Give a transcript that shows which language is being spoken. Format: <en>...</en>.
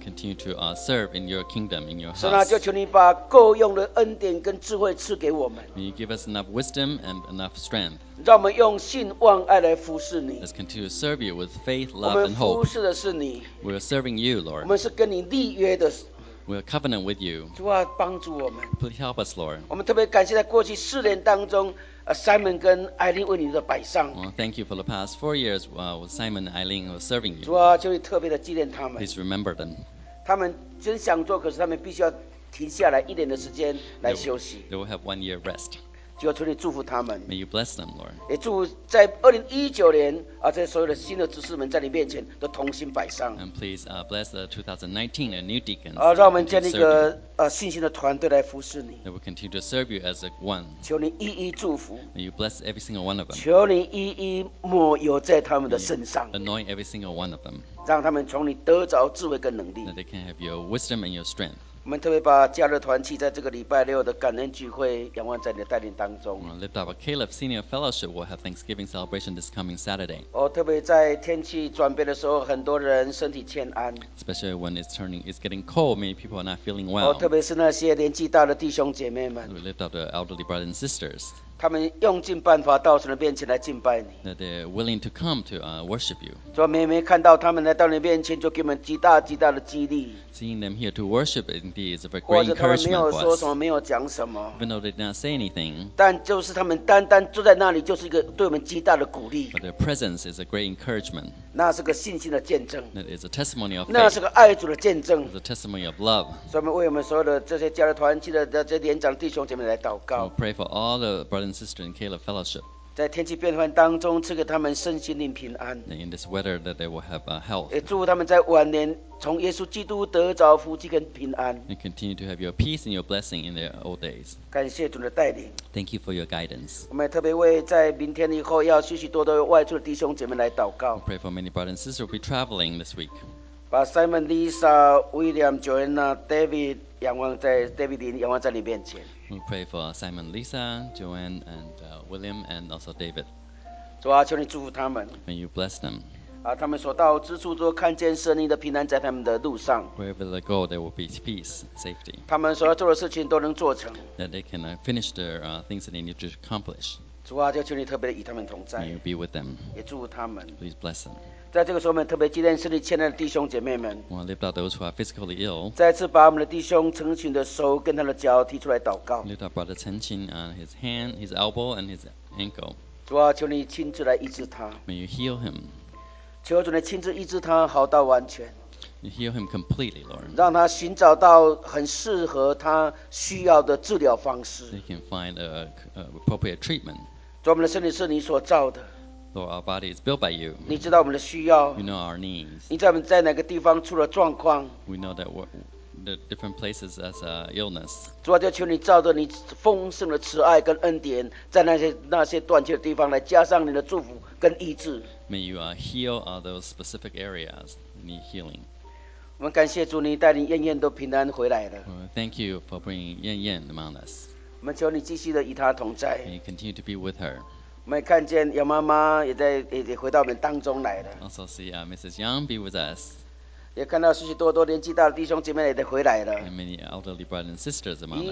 <en>Continue to serve in your kingdom, in your house.</en> <zh>神啊，就求你把够用的恩典跟智慧赐给我们。</zh> <en>May you give us enough wisdom and enough strength.</en> <zh>让我们用信望爱来服侍你。</zh> <en>Let's continue to serve you with faith, love, and hope.</en> <zh>我们服侍的是你。</zh> <en>We are serving you, Lord.</en> <zh>我们是跟你立约的。</zh> <en>We are covenant with you.</en> <zh>主啊，帮助我们。</zh> <en>Please help us, Lord.</en> <zh>我们特别感谢在过去4年当中， Simon 跟 Eileen 为你的摆上。</zh> <en>Well, thank you for the past 4 years, Simon and Eileen are serving you.</en> <zh>主啊，求你特别的纪念他们。</zh> <en>Please remember them.</en> <zh>他们真想做，可是他们必须要停下来一年的时间来休息。</zh> <en>They will have 1 year rest.</en> <zh>主要求你祝福他们。</zh> <en>May you bless them, Lord.</en> <zh>也祝在2019年啊，这所有的新的执事们在你面前都同心摆上。</zh> <en>And please bless the 2019 new deacons.</en> <zh>啊，让我们建立一个信心的团队来服侍你。</zh> <en>They will continue to serve you as one.</en> <zh>求你一一祝福。</zh> <en>May you bless every single one of them.</en> <zh>求你一一抹油在他们的身上。</zh> <en>Anoint every single one of them.</en> <zh>让他们从你得着智慧跟能力。</zh> <en>That they can have your wisdom and your strength.</en> <zh>我们特别把加勒团契在这个礼拜六的感恩聚会仰望在你的带领当中。</zh> <en>We'll lift up a Caleb Senior Fellowship. We'll have Thanksgiving celebration this coming Saturday.</en> <zh>特别在天气转变的时候，很多人身体欠安。</zh> <en>Especially when it's getting cold, many people are not feeling well.</en> <zh>特别是那些年纪大的弟兄姐妹们。</zh> <en>We lift up the elderly brothers and sisters.</en> <zh>他们用尽办法到神的面前来敬拜你。</zh> <en>That they're willing to come to worship you.</en> <zh>主啊，每每看到他们来到你面前，就给我们极大极大的激励。</zh> <en>Seeing them here to worship indeed is a very great encouragement for us.</en> <zh>或者他们没有说什么，没有讲什么。</zh> <en>Even though they did not say anything.</en> <zh>但就是他们单单坐在那里，就是一个对我们极大的鼓励。</zh> <en>But their presence is a great encouragement.</en> <zh>那是个信心的见证。</zh> <en>That is a testimony of faith.</en> <zh>那是个爱主的见证。</zh> <en>It's a testimony of love.</en> <zh>所以我们为我们所有的这些家的团契的这些年长弟兄姐妹来祷告。</zh> <en>We'll pray for all the brothers and sisters in Caleb Fellowship.</en> <zh>在天气变换当中，赐给他们身心灵平安。</zh> <en>And in this weather, that they will have health.</en> <zh>也祝福他们在晚年。从耶稣基督得着福气跟平安。</zh> <en>And continue to have your peace and your blessing in their old days.</en> <zh>感谢主的带领。</zh> <en>Thank you for your guidance.</en> <zh>我们特别为在明天以后要许许多多外出的弟兄姐妹来祷告。</zh> <en>Pray for many brothers and sisters who will be traveling this week.</en> <zh>把 Simon, Lisa, William, Joanna, David, 仰望在 David 仰望在你面前。</zh> <en>We pray for Simon, Lisa, Joanne, and William, and also David.</en> <zh>主啊，求你祝福他们。</zh> <en>May you bless them.</en> <zh>他们所到之处都看见神灵的平安在他们的路上。</zh> <en>Wherever they go, there will be peace, safety.</en> <zh>他们所要做的事情都能做成。</zh> <en>That they can finish the things that they need to accomplish.</en> <zh>主啊，就求你特别的与他们同在。</zh> <en>May you be with them.</en> <zh>也祝福他们。</zh> <en>Please bless them.</en> <zh>在这个时候，我们特别纪念身体欠安的弟兄姐妹们。</zh> <en>We lift up those who are physically ill.</en> <zh>再次把我们的弟兄陈群的手跟他的脚提出来祷告。</zh> <en>Lift up brother Chen Qing, his hand, his elbow, and his ankle.</en> <zh>主啊，求你亲自来医治他。</zh> <en>May you heal him.</en> <zh>求主来亲自医治他，好到完全。</zh> <en>You heal him completely, Lord.</en> <zh>让他寻找到很适合他需要的治疗方式。</zh> <en>He can find a appropriate treatment.</en> <zh>主，我们的身体是你所造的。</zh> <en>Lord, our body is built by you.</en> <zh>你知道我们的需要。</zh> <en>You know our needs.</en> <zh>你知道我们在哪个地方出了状况。</zh> <en>We know that the different places as a illness.</en> <zh>主啊，就求你照着你丰盛的慈爱跟恩典，在那些断气的地方来加上你的祝福跟医治。</zh> <en>May you heal all those specific areas need healing.</en> <zh>我们感谢主，你带领燕燕都平安回来了。</zh> <en>Thank you for bringing Yan Yan among us.</en> <zh>我们求你继续的与她同在。</zh> <en>May you continue to be with her.</en> <zh>我们看见杨妈妈也回到我们当中来了。</zh> <en>Also see Mrs. Yang be with us.</en> <zh>也看到许许多多年纪大的弟兄姐妹也回来了。</zh> <en>And many elderly brothers and sisters among us.</en>